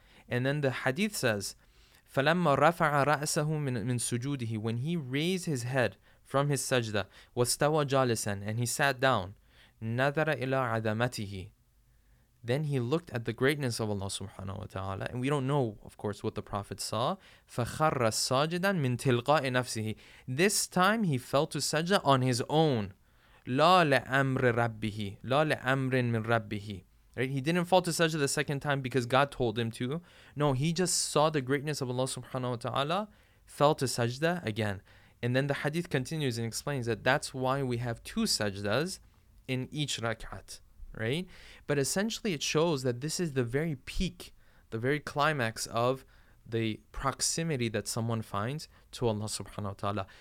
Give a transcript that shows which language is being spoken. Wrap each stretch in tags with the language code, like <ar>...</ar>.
<en>And then the hadith says,</en> <ar>فَلَمَّا رَفَعَ رَأْسَهُ مِنْ سُجُودِهِ,</ar> <en>when he raised his head from his sajda,</en> <ar>وَاسْتَوَى جَالِسًا,</ar> <en>and he sat down,</en> <ar>نَذَرَ إِلَىٰ عَدَمَتِهِ,</ar> <en>then he looked at the greatness of Allah subhanahu wa ta'ala, and we don't know, of course, what the Prophet saw.</en> <ar>فَخَرَّ سَاجِدًا مِنْ تِلْقَاءِ نَفْسِهِ,</ar> <en>this time he fell to sajda on his own.</en> <ar>لَا لَأَمْرِ رَبِّهِ, لَا لَأَمْرٍ مِنْ رَبِّهِ, right?</ar> <en>He didn't fall to sajda the second time because God told him to. No, he just saw the greatness of Allah subhanahu wa ta'ala, fell to sajda again. And then the hadith continues and explains that that's why we have two sajdas in each rak'at, right? But essentially it shows that this is the very peak, the very climax of the proximity that someone finds to Allah subhanahu wa ta'ala.</en>